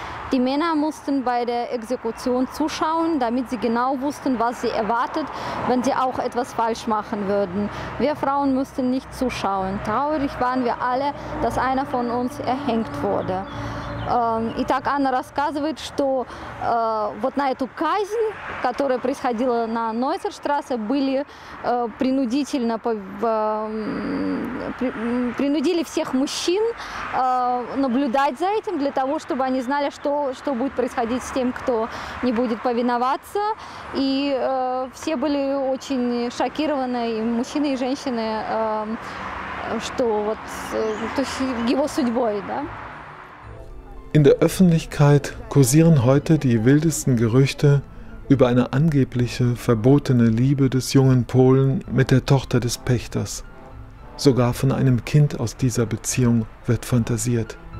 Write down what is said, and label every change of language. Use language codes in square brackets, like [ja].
[de] Die Männer mussten bei der Exekution zuschauen, damit sie genau wussten, was sie erwartet, wenn sie auch etwas falsch machen würden. Wir Frauen mussten nicht zuschauen. Traurig waren wir alle, dass einer von uns erhängt wurde. [ru] Итак, Анна рассказывает, что вот на эту казнь, которая происходила на Нойсерштрассе, были принудительно принудили всех мужчин наблюдать за этим, для того, чтобы они знали, что будет происходить с тем, кто не будет повиноваться. И все были очень шокированы, и мужчины, и женщины, что вот то есть его судьбой, да? [de] In der Öffentlichkeit kursieren heute die wildesten Gerüchte über eine angebliche verbotene Liebe des jungen Polen mit der Tochter des Pächters. Sogar von einem Kind aus dieser Beziehung wird fantasiert.